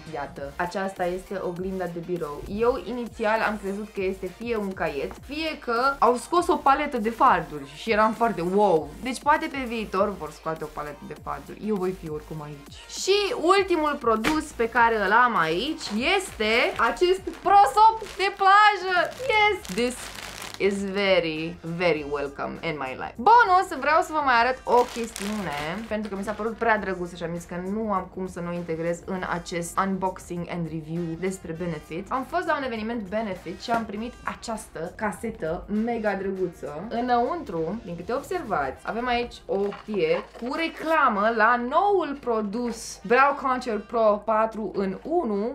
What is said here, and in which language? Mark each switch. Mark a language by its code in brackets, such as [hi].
[ro] Iată, aceasta este oglinda de birou. Eu inițial am crezut că este fie un caiet, fie că au scos o paletă de farduri și eram foarte wow. Deci poate pe viitor vor scoate o paletă de farduri. Eu voi fi oricum aici. Și ultimul produs pe care îl am aici este acest prosop de plajă. [en] Yes, this is very, very welcome in my life. [ro] Bonus, vreau să vă mai arăt o chestiune, pentru că mi s-a părut prea drăguț și am zis că nu am cum să nu integrez în acest [en] unboxing and review [ro] despre Benefit. Am fost la un eveniment Benefit și am primit această casetă mega drăguță. Înăuntru, din câte observați, avem aici o hârtie cu reclamă la noul produs Brow Contour Pro 4-in-1.